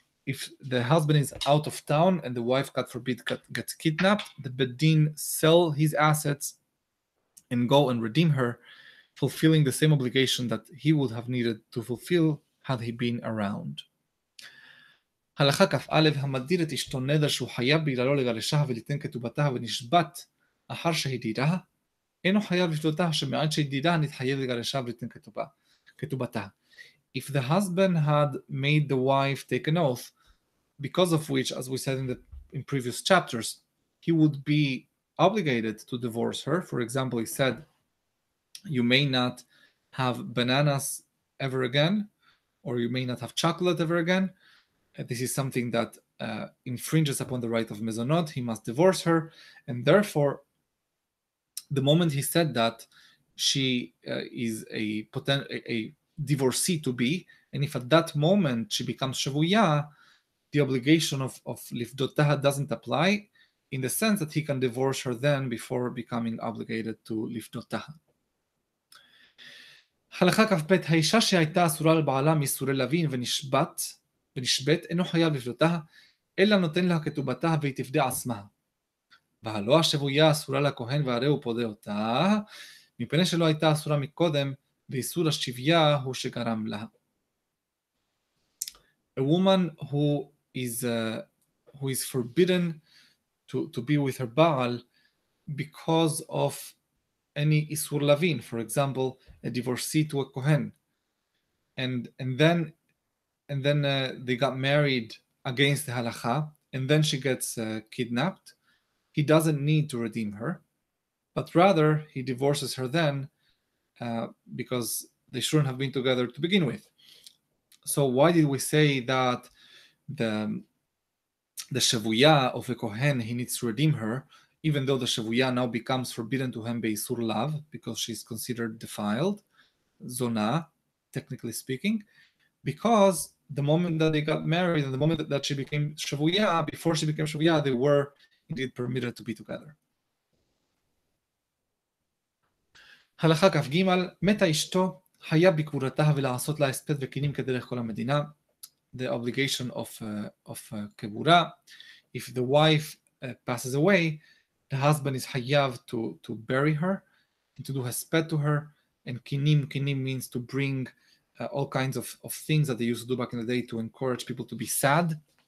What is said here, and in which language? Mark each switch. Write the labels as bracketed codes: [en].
[en] If the husband is out of town and the wife, God forbid, gets kidnapped, the Bedin sell his assets and go and redeem her, fulfilling the same obligation that he would have needed to fulfill had he been around. [he] הלכה כף א', המדיר את אשתו נדר שהוא חייב בגללו לגרשה וליתן כתובתה ונשבת אחר שהדירה, אינו חייב לפדותה שמעד שהדירה נתחייב לגרשה וליתן כתובתה. [en] If the husband had made the wife take an oath, because of which, as we said in previous chapters, he would be obligated to divorce her. For example, he said, you may not have bananas ever again, or you may not have chocolate ever again. This is something that infringes upon the right of mezonot. He must divorce her. And therefore, the moment he said that, she is a potential divorcee to be, and if at that moment she becomes shavuya, the obligation of lifdotah doesn't apply, in the sense that he can divorce her then before becoming obligated to lifdotah. [he] הלכה כף בית, האישה שהייתה אסורה לבעלה מסורי לוין ונשבת אינו חייב לפדותה, אלא נותן לה כתובתה והיא תפדה עצמה. והלא השבויה אסורה לכהן והרי הוא פודה אותה, מפני שלא הייתה אסורה מקודם, ואיסור השבייה הוא שגרם לה. [en] A woman who is forbidden to be with her baal because of any isur lavin, for example, a divorcee to a kohen, and then they got married against the halakha, and then she gets kidnapped, he doesn't need to redeem her, but rather he divorces her then, because they shouldn't have been together to begin with. So why did we say that the shavuya of a kohen, he needs to redeem her, even though the shavuya now becomes forbidden to him beisur lav, because she's considered defiled, zona, technically speaking, because the moment that they got married and the moment that she became shavuya, before she became shavuya, they were indeed permitted to be together. [he] הלכה כף ג', מתה אשתו, היה בקבורתה ולעשות לה הספד וכינים כדרך כל המדינה. [en] The obligation of קבורה, if the wife passes away, the husband is hayav to bury her, and to do hesped to her. And kinim, kinim means to bring all kinds of things that they used to do back in the day to encourage people to be sad.